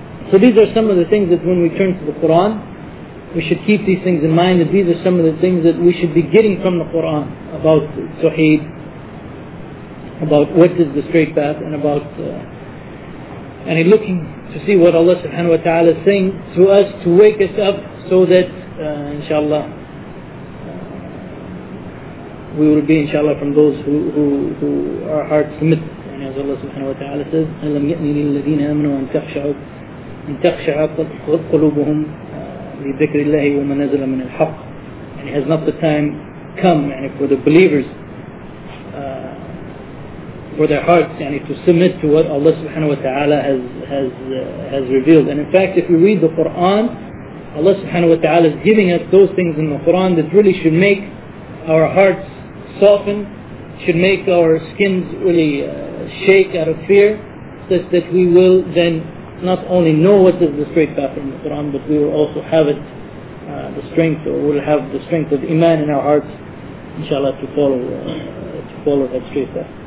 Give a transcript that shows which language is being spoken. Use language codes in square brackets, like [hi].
[en] So these are some of the things that when we turn to the Quran, we should keep these things in mind, that these are some of the things that we should be getting from the Quran about Tawheed, about what is the straight path, and about and in looking to see what Allah subhanahu wa ta'ala is saying to us to wake us up so that inshallah we will be inshallah from those who our hearts submit. And as Allah subhanahu wa ta'ala says, [ar] أَلَمْ يَأْنِنِ الَّذِينَ آمَنُوا أَنْ تَخْشَعَ قُلُوبُهُمْ لِذِكْرِ اللَّهِ وَمَا نَزَلَ مِنَ الْحَقِّ. [en] And has not the time come for the believers for their hearts to submit to what Allah subhanahu wa ta'ala has revealed. And in fact, if you read the Quran, Allah subhanahu wa ta'ala is giving us those things in the Quran that really should make our hearts soften, should make our skins really shake out of fear, such that we will then not only know what is the straight path in the Quran, but we will also have it, the strength of iman in our hearts, inshallah, to follow that straight path.